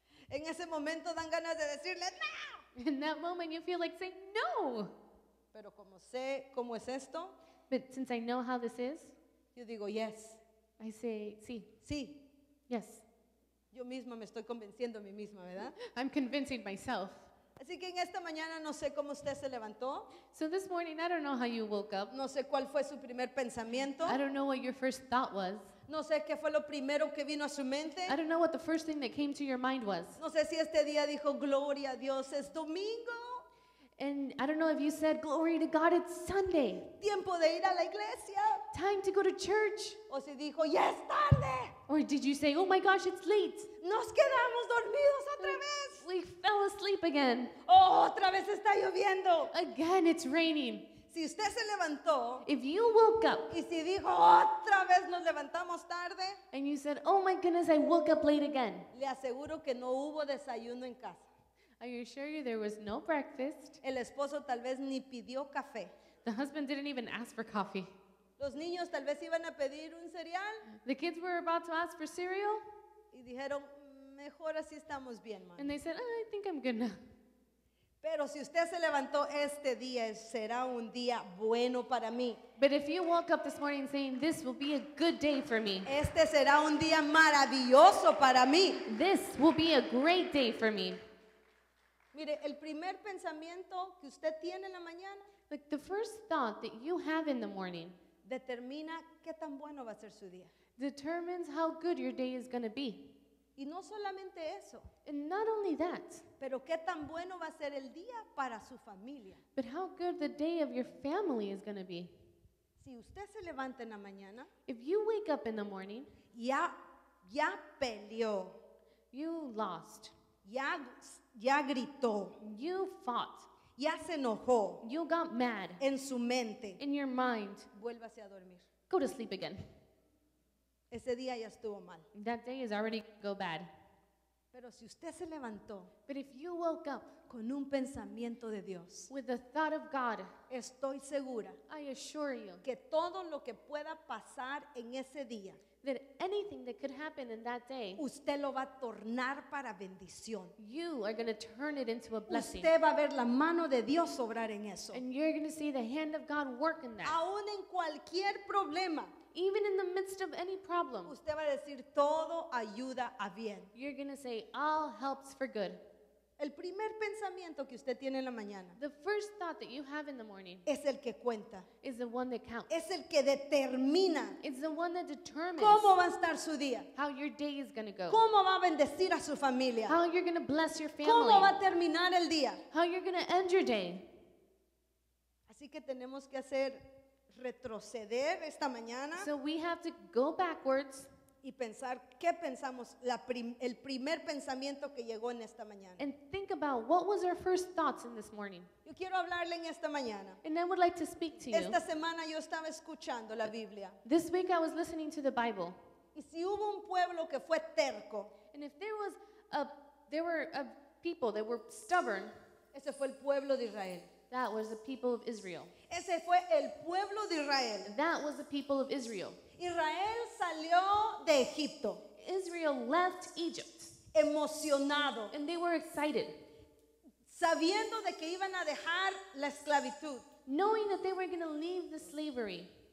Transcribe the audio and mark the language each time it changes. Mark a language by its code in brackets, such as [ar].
[es] En ese momento dan ganas de decirle no. [en] In that moment you feel like saying no. [es] Pero como sé cómo es esto, [en] but since I know how this is, [es] yo digo yes. [en] I say sí. [es] Sí. [en] Yes. [es] Yo misma me estoy convenciendo a mí misma, ¿verdad? [en] I'm convincing myself. [es] Así que en esta mañana no sé cómo usted se levantó. [en] So this morning I don't know how you woke up. [es] No sé cuál fue su primer pensamiento. [en] I don't know what your first thought was. [es] No sé qué fue lo primero que vino a su mente. [en] I don't know what the first thing that came to your mind was. [es] No sé si este día dijo gloria a Dios, es domingo. [en] And I don't know if you said glory to God, it's Sunday. [es] Tiempo de ir a la iglesia. [en] Time to go to church. [es] O si dijo ya es tarde. [en] Or did you say, oh my gosh, it's late. [es] Nos quedamos dormidos otra vez. [en] We fell asleep again. [es] Oh, otra vez está lloviendo. [en] Again, it's raining. [es] Si usted se levantó, [en] if you woke up, [es] y si dijo otra vez nos levantamos tarde, [en] and you said, oh my goodness, I woke up late again, [es] le aseguro que no hubo desayuno en casa. [en] I assure you there was no breakfast. [es] El esposo tal vez ni pidió café. [en] The husband didn't even ask for coffee. [es] Los niños tal vez iban a pedir un cereal. [en] The kids were about to ask for cereal. [es] Y dijeron, mejor así estamos bien, mami. [en] And they said, oh, I think I'm good now. [es] Pero si usted se levantó este día, será un día bueno para mí. [en] But if you woke up this morning saying, this will be a good day for me. [es] Este será un día maravilloso para mí. [en] This will be a great day for me. [es] Mire, el primer pensamiento que usted tiene en la mañana. [en] Like the first thought that you have in the morning. [es] Determina qué tan bueno va a ser su día. [en] Determines how good your day is going to be. [es] Y no solamente eso. [en] And not only that. [es] Pero qué tan bueno va a ser el día para su familia. [en] But how good the day of your family is going to be. [es] Si usted se levanta en la mañana. [en] If you wake up in the morning. [es] Ya peleó. [en] You lost. [es] Ya gritó. [en] You fought. [es] Ya se enojó. [en] You got mad. [es] En su mente. [en] In your mind. [es] Vuélvase a dormir. [en] Go to sleep again. [es] Ese día ya estuvo mal. [en] That day is already going to go bad. [es] Pero si usted se levantó. [en] But if you woke up. [es] Con un pensamiento de Dios. [en] With the thought of God. [es] Estoy segura. [en] I assure you. [es] Que todo lo que pueda pasar en ese día. [en] That anything that could happen in that day. [es] Usted lo va a tornar para bendición. [en] You are going to turn it into a blessing. [es] Usted va a ver la mano de Dios obrar en eso. [en] And you're going to see the hand of God work in that. [es] Aún en cualquier problema. [en] Even in the midst of any problem. [es] Usted va a decir, todo ayuda a bien. [en] You're going to say, all helps for good. [es] El primer pensamiento que usted tiene en la mañana. [en] The first thought that you have in the morning. [es] Es el que cuenta. [en] Is the one that counts. [es] Es el que determina. [en] It's the one that determines. [es] Cómo va a estar su día. [en] How your day is going to go. [es] Cómo va a bendecir a su familia. [en] How you're going to bless your family. [es] Cómo va a terminar el día. [en] How you're going to end your day. [es] Así que tenemos que hacer retroceder esta mañana. [en] So we have to go backwards. [es] Y pensar qué pensamos, el primer pensamiento que llegó en esta mañana. [en] And think about what was our first thoughts in this morning. [es] Yo quiero hablarle en esta mañana. [en] And I would like to speak to you. [es] Esta semana yo estaba escuchando la Biblia. [en] This week I was listening to the Bible. [es] Y si hubo un pueblo que fue terco. [en] And if there was there were people that were stubborn. [es] Ese fue el pueblo de Israel. [en] That was the people of Israel. [es] Ese fue el pueblo de Israel. [en] That was the people of Israel. [es] Israel salió de Egipto. [en] Israel left Egypt. [es] Emocionado. [en] And they were excited. [es] Sabiendo de que iban a dejar la esclavitud. [en] Knowing that they were going to leave the slavery.